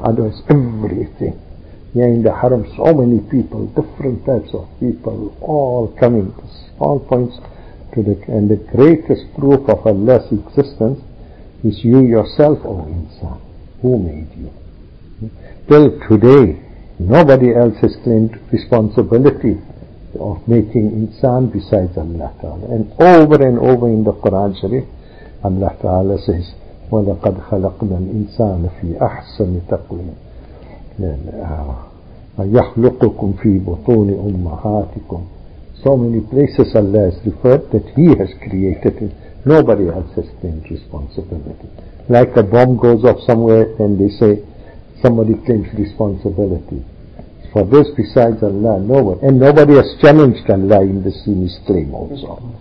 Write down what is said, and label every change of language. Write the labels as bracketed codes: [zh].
[en] Otherwise, everything. Yeah, in the haram, so many people, different types of people, all coming, all points to the, and the greatest proof of Allah's existence is you yourself, O insan, who made you. Till today, nobody else has claimed responsibility of making insan besides Allah Ta'ala. And over in the Quran Sharif, Allah Ta'ala says, [ar] وَلَقَدْ خَلَقْنَا الْإِنسَانَ فِي أَحْسَنِ تَقْوِيمٍ يَخْلُقُكُمْ فِي بُطُونِ أُمَّهَاتِكُمْ. [en] So many places Allah has referred that He has created him. Nobody else has claimed responsibility. Like a bomb goes off somewhere and they say somebody claims responsibility. For this besides Allah, no one. And nobody has challenged Allah in this, in his claim also.